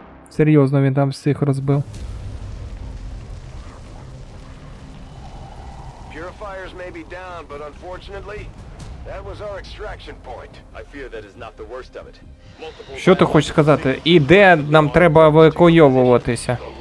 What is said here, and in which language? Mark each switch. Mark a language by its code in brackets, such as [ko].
[uk] Серйозно, він там всіх розбив. [en] Purifiers may be down, but unfortunately, that was our extraction point. I fear that is not the worst of it. [uk] Що ти хочеш сказати? І де нам треба евакуйовуватися?